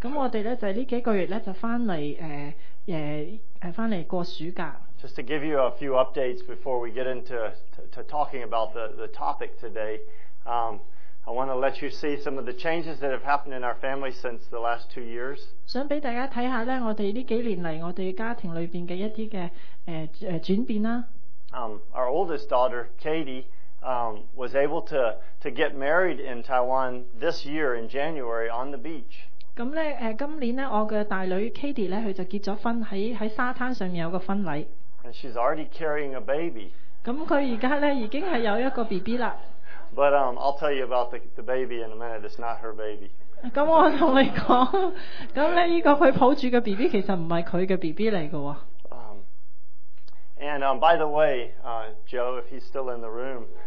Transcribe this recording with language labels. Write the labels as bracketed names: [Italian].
[Cantonese] 咁我哋咧就呢幾個月咧就翻嚟翻嚟過暑假。 [English] Just to give you a few updates before we get into to talking about the topic today, I want to let you see some of the changes that have happened in our family since the last 2 years. [Cantonese] 想俾大家睇下咧，我哋呢幾年嚟我哋家庭裏邊嘅一啲嘅轉變啦。 [English] Our oldest daughter Katie was able to get married in Taiwan this year in January on the beach. [Cantonese] 咁咧，今年咧，我嘅大女 Katie 咧，佢就結咗婚喺沙灘上面有個婚禮。 [English] And she's already carrying a baby. [Cantonese] 咁佢而家咧已經係有一個 BB 啦。 [English] But I'll tell you about the baby in a minute. It's not her baby. [Cantonese] 咁我同你講，咁咧依個佢抱住嘅 BB 其實唔係佢嘅 BB 嚟嘅喎。 [English] And by the way, Joe, if he's still in the room.